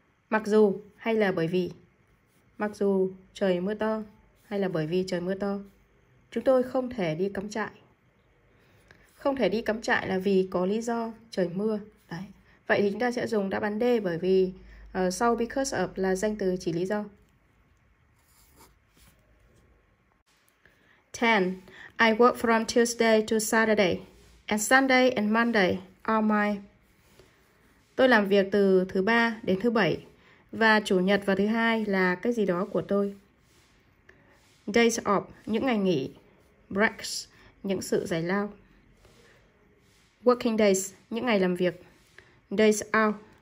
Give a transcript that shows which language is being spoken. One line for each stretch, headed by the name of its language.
Vietnamese: Mặc dù hay là bởi vì. Mặc dù trời mưa to hay là bởi vì trời mưa to. Chúng tôi không thể đi cắm trại. Không thể đi cắm trại là vì có lý do trời mưa. Đấy. Vậy thì chúng ta sẽ dùng đáp án D bởi vì sau because of là danh từ chỉ lý do.
English: 10. I work from Tuesday to Saturday, and Sunday and Monday are my.
Vietnamese: Tôi làm việc từ thứ ba đến thứ bảy, và chủ nhật và thứ hai là cái gì đó của tôi. Days off, những ngày nghỉ. Breaks, những sự giải lao. Working days, những ngày làm việc. Days out.